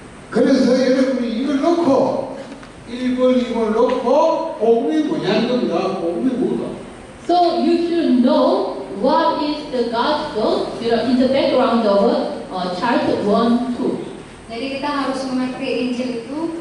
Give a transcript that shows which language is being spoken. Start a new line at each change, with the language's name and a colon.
Korean: 그래서 여러분이 이걸 놓고 이걸 놓고 복음이 뭐냐는 겁니다. 복음이 뭐다?
English: So you should know what is the gospel, you know, in the background of chart 1-2.
Indonesian: �adi kita harus mengerti Injil itu.